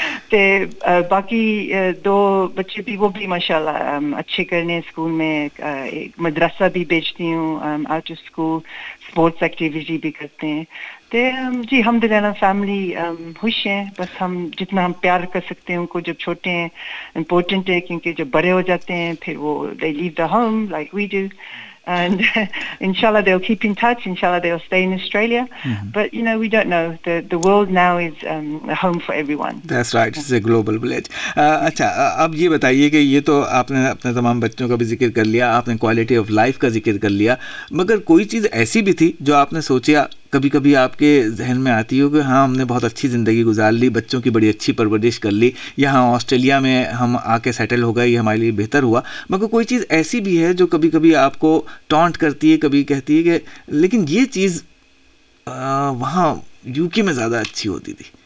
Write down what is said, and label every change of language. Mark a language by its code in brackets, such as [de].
[ur] تو باقی دو بچے بھی, وہ بھی ماشاء اللہ اچھے کر رہے ہیں اسکول میں, ایک مدرسہ بھی بھیجتی ہوں out of school, sports activity بھی کرتے ہیں. تو جی الحمد للہ فیملی خوش ہیں, بس ہم جتنا ہم پیار کر سکتے ہیں ان کو, جب چھوٹے ہیں امپورٹنٹ ہے, کیونکہ جب بڑے ہو جاتے ہیں پھر وہ دے لیو the home like we do, [en] and inshallah they'll keep in touch, inshallah they'll stay in Australia. But you know, we don't know, the world now is a home for everyone. That's right, it's a global village. [ur] Acha ab ye bataiye ki ye to aapne apne tamam bachchon ka bhi zikr kar liya, aapne quality of life ka zikr kar liya, magar koi cheez aisi bhi thi jo aapne socha, کبھی کبھی آپ کے ذہن میں آتی ہو کہ ہاں ہم نے بہت اچھی زندگی گزار لی, بچوں کی بڑی اچھی پرورش کر لی, یہاں آسٹریلیا میں ہم آ کے سیٹل ہو گئے, یہ ہمارے لیے بہتر ہوا, مگر کوئی چیز ایسی بھی ہے جو کبھی کبھی آپ کو ٹانٹ کرتی ہے, کبھی کہتی ہے کہ لیکن یہ چیز وہاں یو کے میں زیادہ اچھی ہوتی تھی,